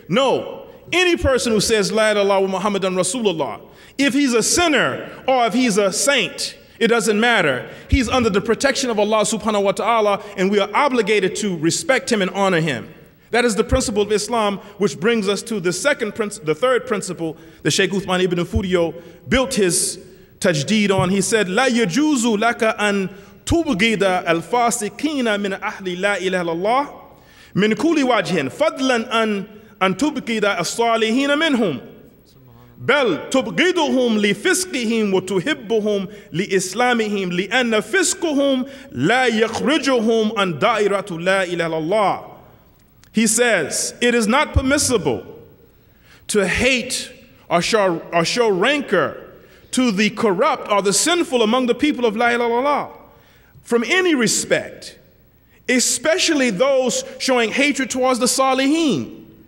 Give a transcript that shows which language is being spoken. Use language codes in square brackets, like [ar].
[en] No, any person who says [ar] La ilaha illallah Muhammadan Rasulullah, [en] if he's a sinner or if he's a saint, it doesn't matter. He's under the protection of Allah subhanahu wa ta'ala, and we are obligated to respect him and honor him. That is the principle of Islam, which brings us to the third principle that Sheikh Uthman ibn Nufudio built his tajdeed on. He said, [ar] لا يجوز لك أن تبغض الفاسقين من أهل لا إله إلا الله من كل وجه فضلا أن تبغض الصالحين منهم بل تبغضهم لفسقهم وتحبهم لإسلامهم لأن فسقهم لا يخرجهم عن دائرة لا إله إلا الله. [en] He says, it is not permissible to hate or show rancor to the corrupt or the sinful among the people of La ilaha illallah from any respect, especially those showing hatred towards the Salihin.